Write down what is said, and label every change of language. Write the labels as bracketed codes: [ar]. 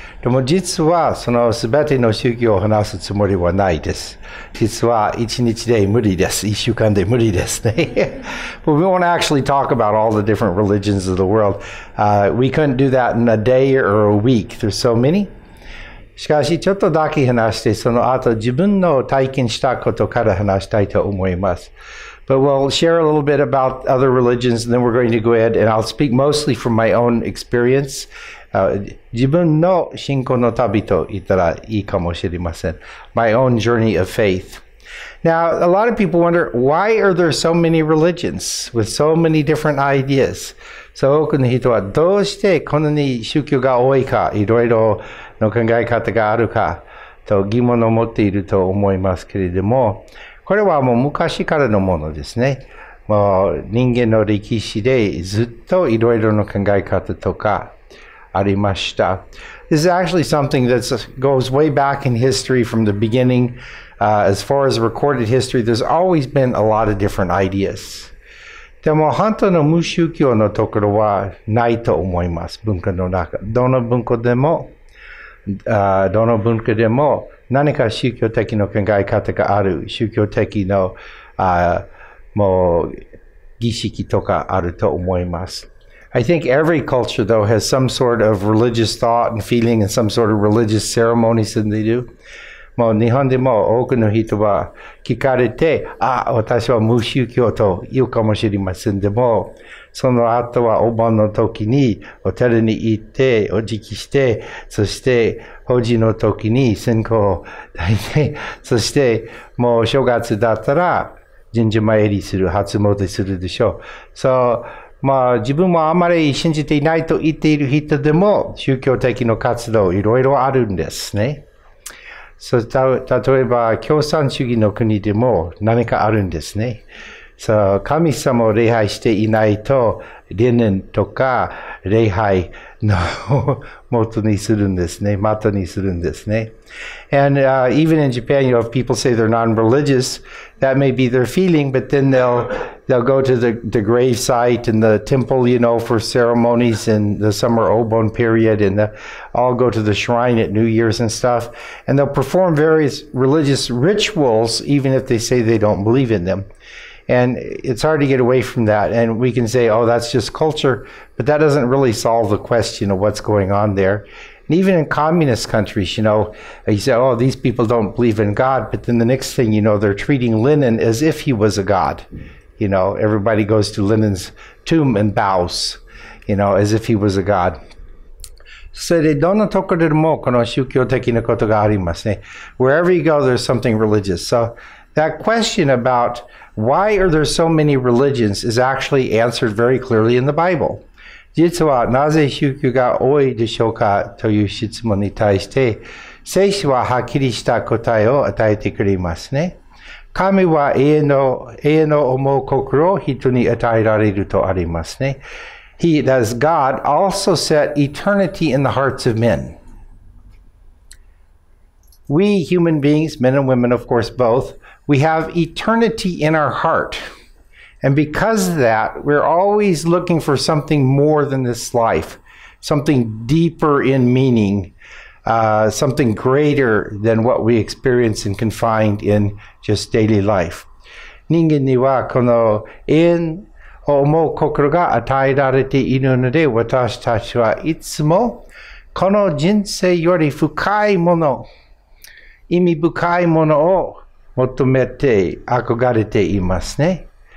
[ja] でも実はそのすべての宗教を話すつもりはないです。実は一日で無理です。一週間で無理ですね。 [en] But we won't actually talk about all the different religions of the world. We couldn't do that in a day or a week. There's so many. [ja] しかしちょっとだけ話してその後自分の体験したことから話したいと思います。 [en] But we'll share a little bit about other religions and then we're going to go ahead and I'll speak mostly from my own experience. [ja] 自分の信仰の旅と言ったらいいかもしれません。 [en] My own journey of faith. Now, a lot of people wonder, why are there so many religions with so many different ideas? [ja] So 多くの人はどうしてこんなに宗教が多いか、いろいろの考え方があるかと疑問を持っていると思いますけれども、これはもう昔からのものですね。もう人間の歴史でずっといろいろの考え方とかありました。 [en] This is actually something that goes way back in history from the beginning. As far as recorded history, there's always been a lot of different ideas. [ja] でも本当の無宗教のところはないと思います。文化の中、どの文化でも何か宗教的の考え方がある、宗教的のもう儀式とかあると思います。 [en] I think every culture though has some sort of religious thought and feeling and some sort of religious ceremonies that they do. [ja] もう日本でも多くの人は聞かれて、ああ、私は無宗教と言うかもしれませんでも、その後はお盆の時にお寺に行ってお辞儀して、そして法事の時に線香を抱いて、そしてもう正月だったら神社参りする、初詣するでしょう。 So, まあ自分もあまり信じていないと言っている人でも宗教的の活動いろいろあるんですね。 So, 例えば共産主義の国でも何かあるんですね。 So, 神様を礼拝していないと、理念とか礼拝の元にするんですね。元にするんですね。 [en] And even in Japan, you know, if people say they're non-religious, that may be their feeling, but then they'll go to the grave site and the temple, you know, for ceremonies in the summer Obon period, and all go to the shrine at New Year's and stuff. And they'll perform various religious rituals, even if they say they don't believe in them. And it's hard to get away from that. And we can say, oh, that's just culture, but that doesn't really solve the question of what's going on there. And even in communist countries, you know, you say, oh, these people don't believe in God. But then the next thing, you know, they're treating Lenin as if he was a God. You know, everybody goes to Lenin's tomb and bows, you know, as if he was a God. [ja] それでどんなところでもこの宗教的なことがありますね。 [en] Wherever you go, there's something religious. So that question about why are there so many religions is actually answered very clearly in the Bible. [ja] 実はなぜ宗教が多いでしょうかという質問に対して、聖書ははっきりした答えを与えてくれますね。神は永遠の思う心を人に与えられるとありますね。 [en] He, that is God, also set eternity in the hearts of men. We human beings, men and women of course both, we have eternity in our heart. And because of that, we're always looking for something more than this life, something deeper in meaning, something greater than what we experience and can find in just daily life. [ja] 人間にはこの永遠を思う心が与えられているので、私たちはいつもこの人生より深いもの、意味深いものを求めて憧れていますね。